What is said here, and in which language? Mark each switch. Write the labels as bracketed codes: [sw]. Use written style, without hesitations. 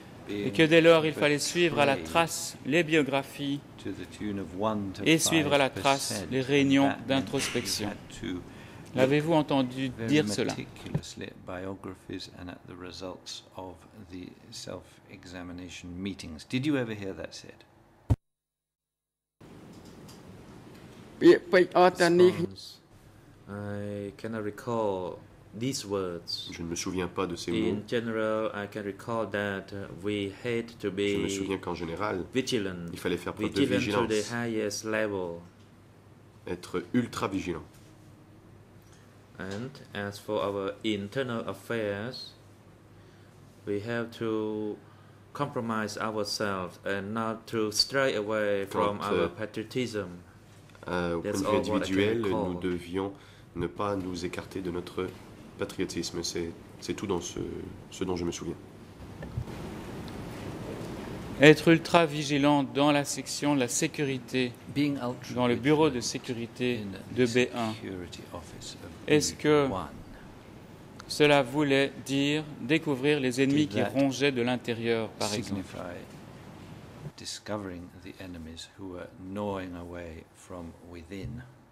[fr] et que dès lors il fallait suivre à la trace les biographies et suivre à la trace les réunions d'introspection? L'avez-vous entendu dire cela? [en] Biographies and at the results of the self-examination meetings. Did you ever hear that said? I cannot recall these words. [fr] Je ne me souviens pas de ces mots. [en] In general, I can recall that we had to be [fr] vigilant. Je me souviens qu'en général, [en] vigilant. [fr] Il fallait faire preuve de vigilance. [en] To the highest level. [fr] Être ultra vigilant. [en] And as for our internal affairs, we have to compromise ourselves and not to stray away from our patriotism. [fr] Au point de vue individuel, nous devions ne pas nous écarter de notre patriotisme. C'est tout dans ce dont je me souviens. Être ultra vigilant dans la section de la sécurité, dans le bureau de sécurité de B1, est-ce que cela voulait dire découvrir les ennemis qui rongeaient de l'intérieur, par exemple? [en] Discovering the enemies who were gnawing away from within.